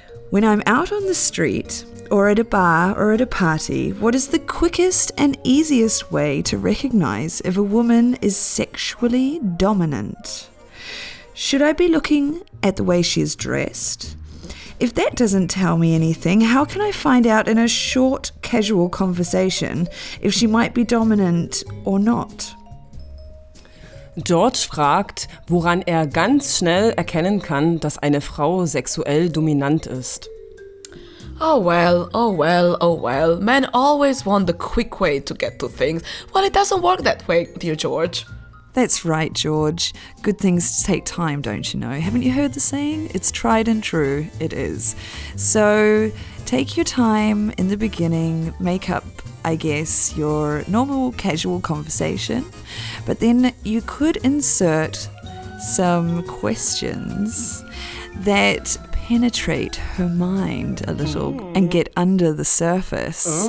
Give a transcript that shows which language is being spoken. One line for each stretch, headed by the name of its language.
English: When I'm out on the street, or at a bar, or at a party, what is the quickest and easiest way to recognize if a woman is sexually dominant? Should I be looking at the way she is dressed? If that doesn't tell me anything, how can I find out in a short, casual conversation if she might be dominant or not?
German: George fragt, woran er ganz schnell erkennen kann, dass eine Frau sexuell dominant ist.
English: Oh well, oh well, oh well. Men always want the quick way to get to things. Well, it doesn't work that way, dear George. That's right, George. Good things take time, don't you know? Haven't you heard the saying? It's tried and true. It is. So take your time in the beginning, make up, I guess, your normal casual conversation, but then you could insert some questions that penetrate her mind a little and get under the surface.